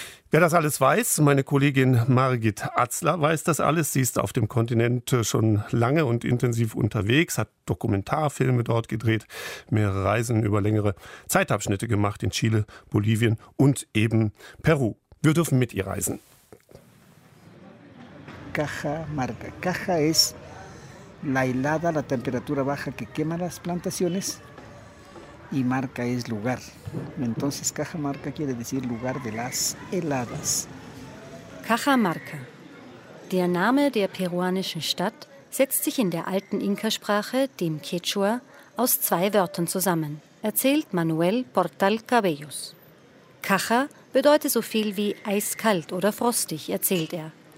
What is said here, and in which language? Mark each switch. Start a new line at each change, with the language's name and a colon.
German: Wer das alles weiß, meine Kollegin Margit Atzler weiß das alles. Sie ist auf dem Kontinent schon lange und intensiv unterwegs, hat Dokumentarfilme dort gedreht, mehrere Reisen über längere Zeitabschnitte gemacht in Chile, Bolivien und eben Peru. Wir dürfen mit ihr reisen.
Spanish: Cajamarca. Caja es la helada, la temperatura baja que quema las plantaciones y marca es lugar. Entonces Cajamarca quiere decir lugar de las heladas. Cajamarca.
German: Der Name der peruanischen Stadt setzt sich in der alten Inka-Sprache, dem Quechua, aus zwei Wörtern zusammen, erzählt Manuel Portal Cabellos. Caja bedeutet so viel wie eiskalt oder frostig, erzählt er.